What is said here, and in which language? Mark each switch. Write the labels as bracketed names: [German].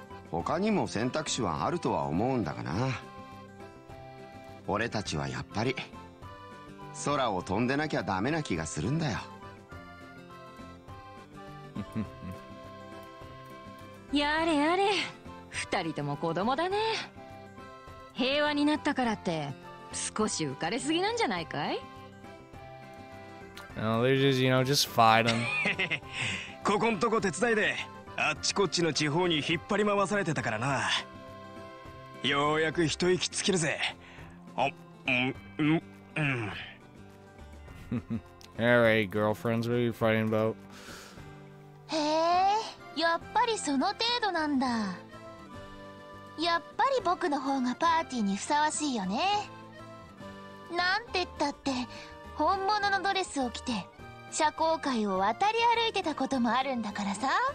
[Japanese] 他にも選択肢はあるとは思うんだがな。俺たちはやっぱり空を飛んでなきゃダメな気がするんだよ。やれやれ、二人とも子供だね。平和になったからって少し浮かれすぎなんじゃないかい。 [English] No, they're just, you know, just fight them. [Japanese] ここんとこ手伝いで、あっちこっちの地方に引っ張り回されてたからな。ようやく一息つけるぜ。あ、 [English] All right, girlfriends, what are you fighting about? [Japanese] へえ、やっぱりその程度なんだ。やっぱり僕の方がパーティーにふさわしいよね。なんて言ったって本物のドレスを着て社交界を渡り歩いてたこともあるんだからさ。